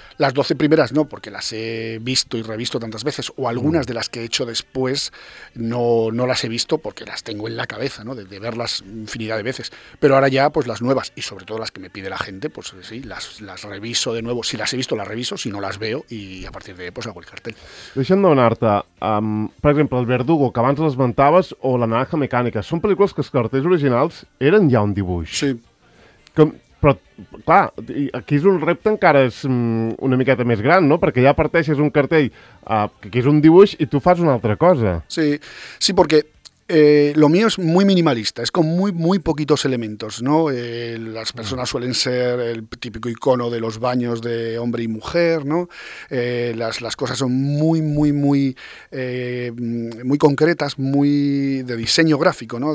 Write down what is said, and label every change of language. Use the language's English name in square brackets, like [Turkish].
[Spanish] Las 12 primeras no, porque las he visto y revisto tantas veces, o algunas de las que he hecho después no las he visto porque las tengo en la cabeza, ¿no? De verlas infinidad de veces. Pero ahora ya, pues las nuevas, y sobre todo las que me pide la gente, pues sí, las reviso de nuevo. Si las he visto, las reviso, si no, las veo, y a partir de ahí pues hago el cartel. [Catalan] Deixa'm donar-te, per exemple, El Verdugo, que abans l'esmentaves, o La naranja mecànica, són pel·lícules que es corten els originals eren ja un dibuix. Sí. Però, clar, aquí és un repte encara és una miqueta més gran, no? Perquè ja parteixes un cartell que aquí és un dibuix i tu fas una altra cosa. Sí, perquè... [Spanish] lo mío es muy minimalista, es con muy, muy poquitos elementos, ¿no? Las personas suelen ser el típico icono de los baños de hombre y mujer, ¿no? Las cosas son muy, muy, muy, muy concretas, muy de diseño gráfico, ¿no?